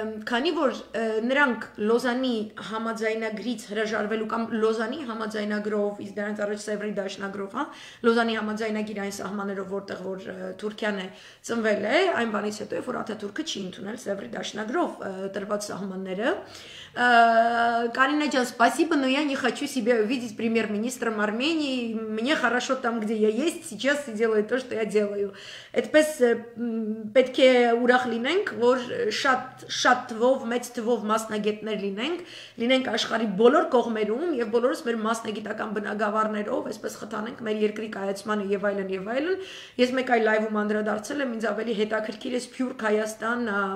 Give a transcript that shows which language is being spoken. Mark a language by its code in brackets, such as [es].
[hy] քանի որ նրանք Լոզանի համաձայնագրից հրաժարվելու կամ Լոզանի համաձայնագրով, իսկ դրանից առաջ Սևրի դաշնագրով, հա, Լոզանի համաձայնագիր այն սահմաններով, որտեղ որ Թուրքիան է ծնվել, է այն բանից հետո, որ Աթաթուրքը չի ընդունել Սևրի դաշնագրով տրված սահմանները, [ru] Карина ջան, спасибо, но я не хочу себя видеть премьер-министром Армении. Мне хорошо там, где я есть, сейчас и делаю то, что я делаю. [hy] Այդպես պետք է ուրախ լինենք, որ շատ թվով, մեծ թվով մասնագետներ լինենք, լինենք աշխարհի բոլոր կողմերում եւ բոլորս մեր մասնագիտական բնագավառներով, այսպես խթանենք մեր երկրի կայացմանը եւ այլն եւ այլն։ Ես մեկ այլ լայվում անդրադարձել եմ, ինձ ավելի հետաքրքիր է Փյուր Հայաստան,